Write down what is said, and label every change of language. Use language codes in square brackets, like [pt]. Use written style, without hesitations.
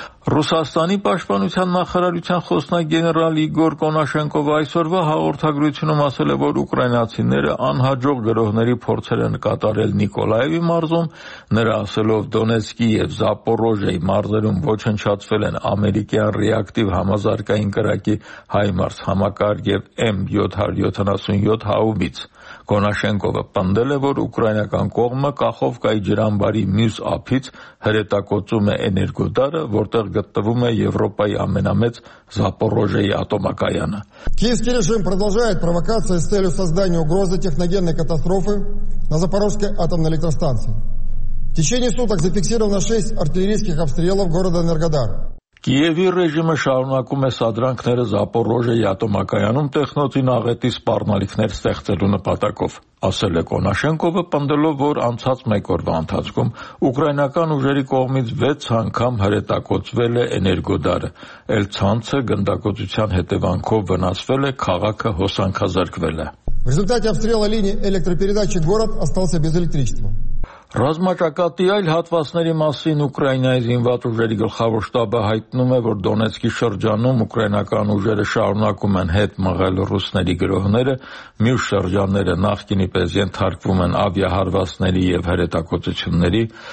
[hy] Ռուսաստանի պաշտպանության նախարարության խոսնակ գեներալ Իգոր Կոնաշենկովը այսօրվա հաղորդագրությունում ասել է, որ ուկրաինացիները անհաջող գրոհների փորձեր են կատարել Նիկոլայևի մարզում, նրա ասելով Դոնեցկի և Զապորոժիայի մարզերում ոչնչացվել են ամերիկյան ռեակտիվ համազարգային կրակի HIMARS համակարգ և M777 հաուբից. Կոնաշենկովը պնդել է, որ ուկրաինական կողմը Կախովկայի ջրամբարի մյուս ափից հրետակոծում է էներգոդարը, որտեղ գտնվում է Եվրոպայի ամենամեծ Զապորոժիայի ատոմակայանը։ Կիևսկի ռեժիմը [ru] продолжает провокации с целью создания угрозы техногенной катастрофы на Запорожской атомной электростанции. В течение суток зафиксировано 6 артиллерийских обстрелов города Энергодар. [hy] Կիևի ռեժիմը շարունակում է սադրանքները Զապորոժիայի ատոմակայանում տեխնոցին աղետի սպառնալիքներ ստեղծելու նպատակով, ասել է Կոնաշենկովը, պնդելով, որ անցած մեկ օրվա ընթացքում ուկրաինական ուժերի կողմից 6 անգամ հրետակոծվել է էներգոդարը, այլ ցանցը գնդակոծության հետևանքով վնասվել է, քաղաքը հոսանքազարկվել է։ [ru] В результате обстрела линии электропередачи город остался без электричества. [hy] Ռազմաճակատի այլ հատվածների մասին Ուկրաինայի զինված ուժերի գլխավոր շտաբը հայտնում է, որ Դոնեցկի շրջանում ուկրաինական ուժերը շարունակում են հետ մղել ռուսների գրոհները, մյուս շրջանները նախկինի պես ենթարկվում են ավիահարվածների և հրետակոծությունների,